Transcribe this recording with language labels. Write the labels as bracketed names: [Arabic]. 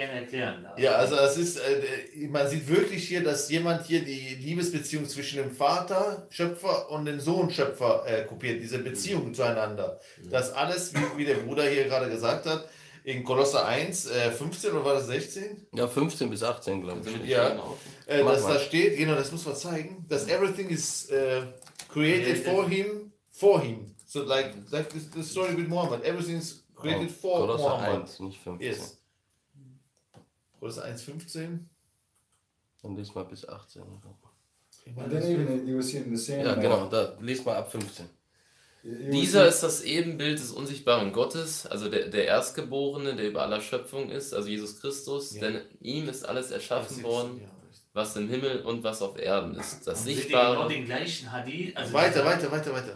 [German] Man sieht wirklich hier, dass jemand hier die Liebesbeziehung zwischen dem Vater, Schöpfer und dem Sohn, Schöpfer, kopiert. Diese Beziehung zueinander. Das alles, wie der Bruder hier gerade gesagt hat, in Kolosser 1, 15 oder war das 16? Ja, 15 bis 18, glaube ich. Ja, dass da steht, genau, das muss man zeigen, dass [English] everything is created for him. So like the story with Muhammad, everything is created for [German] Kolosser [English] Muhammad. [German] Kolosser 1, nicht 15. [English] Yes. Kolosser 1, 15. [German] Und diesmal bis 18. [English] And then even you will see it in the same. [German] Ja, genau, da liest mal ab 15. Dieser ist das Ebenbild des unsichtbaren Gottes, also der Erstgeborene, der über aller Schöpfung ist, also Jesus Christus, denn ihm ist alles erschaffen worden, was im Himmel und was auf Erden ist. Das Sichtbare, genau den gleichen Hadith, also weiter.